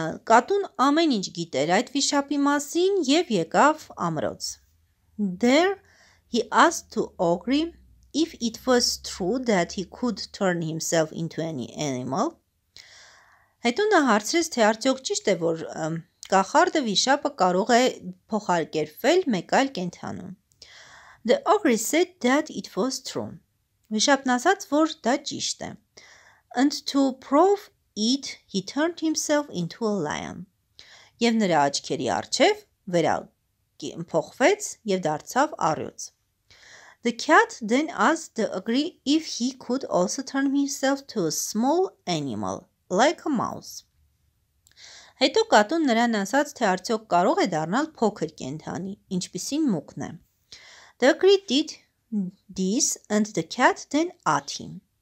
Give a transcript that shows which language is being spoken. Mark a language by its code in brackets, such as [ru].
[hy] Կատուն ամեն ինչ գիտեր այդ վիշապի մասին և եկավ ամրոց։ [en] There he asked the ogre if it was true that he could turn himself into any animal. [hy] Հետո նա հարցրեց, թե արդյոք ճիշտ է, որ կախարդը վիշապը կարող է փոխարկերվել մեկ այլ կենդանու։ [en] The ogre said that it was true. [hy] Վիշապն ասաց, որ դա ճիշտ է. [en] And to prove it, he turned himself into a lion. [hy] Եվ նրա աչքերի առջև վերա փոխվեց և դարձավ առյուծ։ [en] The cat then asked the ogre if he could also turn himself to a small animal, like a mouse. [hy] Հետո կատուն նրան ասաց, թե արդյոք կարող է դառնալ փոքր կենդանի, ինչպիսին մուկն է։ [en] The ogre did this and the cat then ate him.